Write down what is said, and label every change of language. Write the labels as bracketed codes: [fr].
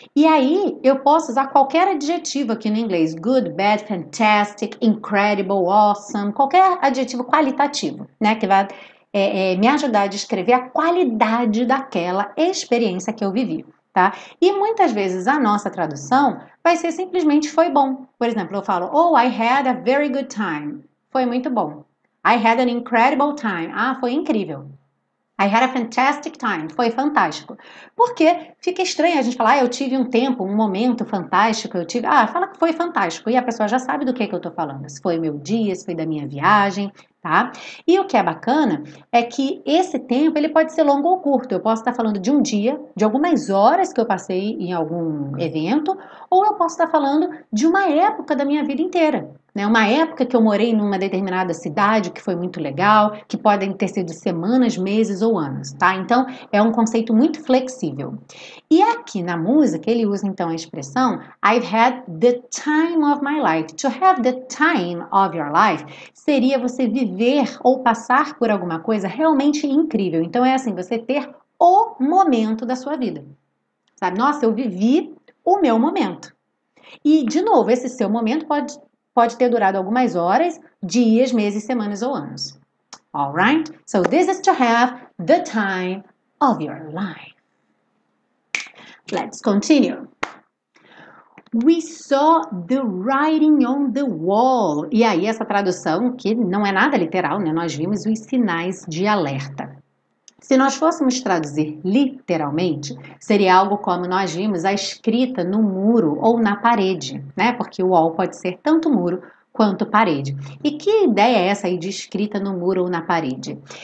[pt] E aí, eu posso usar qualquer adjetivo aqui no inglês. [en] Good, bad, fantastic, incredible, awesome. [pt] Qualquer adjetivo qualitativo, né? Que vai me ajudar a descrever a qualidade daquela experiência que eu vivi, tá? E muitas vezes a nossa tradução vai ser simplesmente foi bom. Por exemplo, eu falo, oh, [en] I had a very good time. [pt] Foi muito bom. [en] I had an incredible time. [pt] Ah, foi incrível. [en] I had a fantastic time. [pt] Foi fantástico. Porque fica estranho a gente falar, ah, eu tive um tempo, um momento fantástico, eu tive... Ah, fala que foi fantástico. E a pessoa já sabe do que eu tô falando. Se foi meu dia, se foi da minha viagem, tá? E o que é bacana é que esse tempo, ele pode ser longo ou curto. Eu posso estar falando de um dia, de algumas horas que eu passei em algum evento, ou eu posso estar falando de uma época da minha vida inteira. Né, uma época que eu morei numa determinada cidade, que foi muito legal, que podem ter sido semanas, meses ou anos, tá? Então, é um conceito muito flexível. E aqui na música, ele usa então a expressão [en] I've had the time of my life. To have the time of your life [pt] seria você viver ou passar por alguma coisa realmente incrível. Então, é assim, você ter o momento da sua vida. Sabe? Nossa, eu vivi o meu momento. E, de novo, esse seu momento pode ter durado algumas horas, dias, meses, semanas ou anos. [en] Alright? So this is to have the time of your life. Let's continue. We saw the writing on the wall. [pt] E aí essa tradução, que não é nada literal, né? Nós vimos os sinais de alerta. Se nós fôssemos traduzir literalmente, seria algo como nós vimos a escrita no muro ou na parede, né? Porque o wall pode ser tanto muro quanto parede. E que ideia é essa aí de escrita no muro ou na parede?